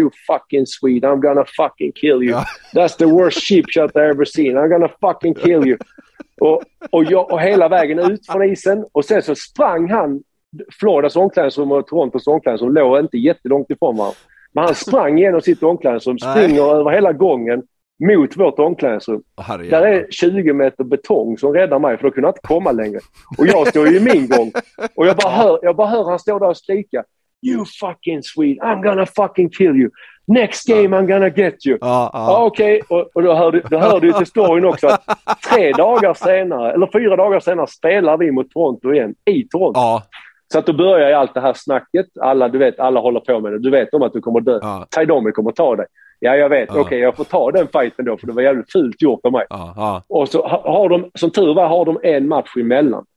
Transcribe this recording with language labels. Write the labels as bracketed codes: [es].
[en] You fucking Swede, I'm gonna fucking kill you. That's the worst sheep shot I ever seen. I'm gonna fucking kill you. [sv] Och hela vägen ut från isen. Och sen så sprang han. Floridas omklädningsrum och Torontos omklädningsrum låg inte jättelångt ifrån varandra. Men han sprang igenom sitt omklädningsrum, springer över hela gången mot vårt omklädningsrum. Där är 20 meter betong som räddar mig, för då kunde jag inte komma längre. Och jag står ju i min gång. Och jag bara hör han stå där och skrika. [en] You fucking Swede, I'm gonna fucking kill you. Next game I'm gonna get you. [sv] Okej, och då hörde du till storyn också att 4 dagar senare spelar vi mot Toronto igen, i Toronto. Så att då börjar ju allt det här snacket. Alla, du vet, alla håller på med det. Du vet om att du kommer dö. Tai Domi kommer ta dig. Ja, jag vet. Okej, jag får ta den fighten då, för det var jävligt fult gjort av mig. Och så har de, som tur var, har de en match emellan.